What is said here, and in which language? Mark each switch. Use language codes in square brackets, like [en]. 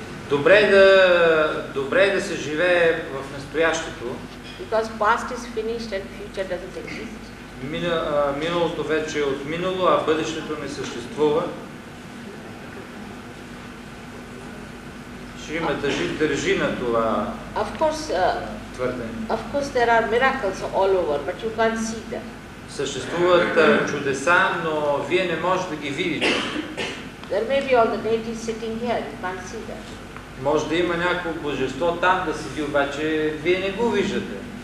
[bg] Добре да се живее в настоящето. [en] Because past is finished and future doesn't exist. [bg] Миналото вече е отминало, а бъдещето не съществува. Ще има тъжи, държи на това. [en] Of course, of course there are miracles all over, but you can't see them. [bg] Съществуват чудеса, но вие не можете да ги видите. [en] There may be all the deities sitting here, you can't see them. [bg] Може да има някакво божество там да седи, обаче вие не го виждате.